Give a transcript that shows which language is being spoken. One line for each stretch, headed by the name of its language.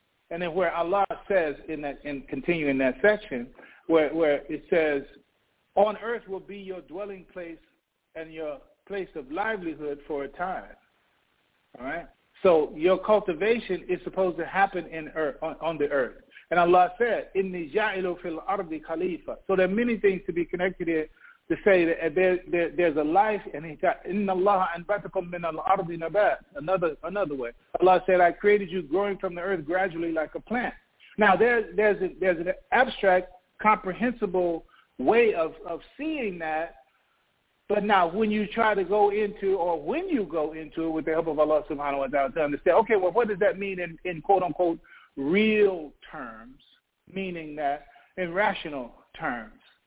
English: And then where Allah says in that section, where it says, on earth will be your dwelling place and your place of livelihood for a time. All right? So your cultivation is supposed to happen on the earth. And Allah said,
Arabic: إِنِّي جَعِلُ فِي الْأَرْضِ خَلِيفَةً.
English: So there are many things to be connected here. To say that there's a life, and he said,
Arabic: "Inna Allah anbatakum min al-ardi nabat."
English: Another way, Allah said, "I created you growing from the earth gradually like a plant." Now there's an abstract, comprehensible way of seeing that, but now when you try to go into, or when you go into it with the help of Allah subhanahu wa ta'ala, to understand, okay, well, what does that mean in quote unquote real terms, meaning that in rational terms?